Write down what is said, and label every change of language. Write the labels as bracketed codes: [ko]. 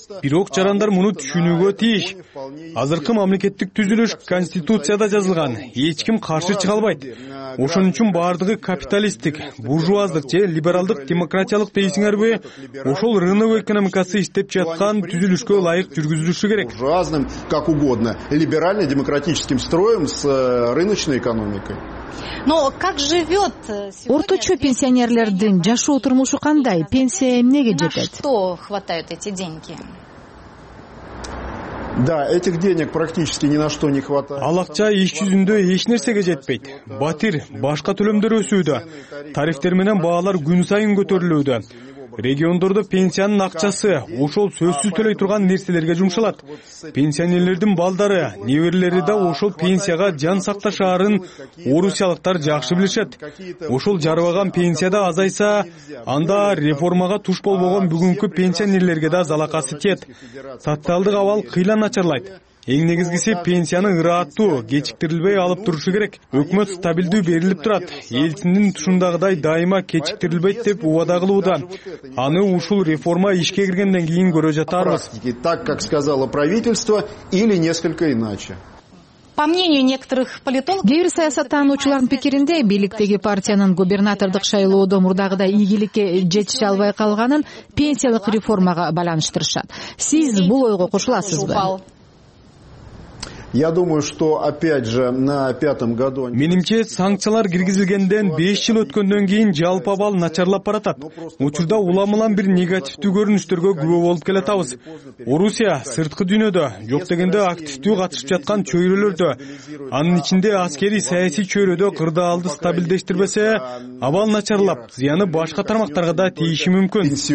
[ky] Бирок жарандар муну түшүнүүгө тийиш. Азыркы мамлекеттик түзүлүш конституцияда жазылган. Эч ким каршы чыга албайт. Ошон үчүн баардыгы капиталисттик, буржуаздык же либералдык демократиялык дейсиңерби, ошол рынок экономикасы иштеп жаткан түзүлүшкө ылайык жүргүзүлүшү керек. [ru] Буржуазным, как угодно, либеральным демократическим строем с рыночной экономикой. Но как живет [ky] орточо пенсионерлердин жашоо турмушу кандай? Пенсия эмнеге жетет? [ru] На что хватают эти деньги? Да, этих денег практически ни на что не хватает. [ky] Ал акча иш жүзүндө эч нерсеге жетпейт. Батир, башка төлөмдөр өсүүдө. Тарифтер менен баалар күн сайын көтөрүлүүдө. Региондордо пенсиянын акчасы ошол сөзсүз төлөй турган нерселерге жумшалат. Пенсионерлердин балдары, неберелери да ошол пенсияга жан сакташаарын орусиялыктар жакшы билишет. Ошол жарыбаган пенсияда азайса, анда реформага туш болбогон бүгүнкү пенсионерлерге да залакасы тиет. Социалдык абал кыйла начарлайт. Эң негизгиси пенсияны ырааттуу, кечиктирилбей алып турушу керек. Өкмөт стабилдүү берилип турат. Элчиндин тушундагыдай дайыма кечиктирилбейт деп убада кылууда. Аны ушул реформа ишке киргенден кийин көрө жатабыз. [ru] Так как сказала правительство или несколько иначе. По мнению некоторых политологов, [ky] кээ бир саясаттануучулардын пикиринде бийликтеги партиянын губернатордук шайлоодо мурдагыдай ийгиликке жетише албай калганын пенсиялык реформага байланыштырышат. Сиз бул ойго кошуласызбы? [ru] Я думаю, что опять же на пятом году. [ky] Менимче санкциялар киргизилгенден 5 жыл өткөндөн кийин жалпы абал начарлап баратат. Учурда улам-улам бир негативдүү көрүнүштөргө күбө болуп келатабыз. Орусия сырткы дүйнөдө жок дегенде активдүү катышып жаткан чөйрөлөрдө, анын ичинде аскерий саясий чөйрөдө кырдаалды стабилдештирбесе, абал начарлап, зыяны башка тармактарга да тийиши мүмкүн.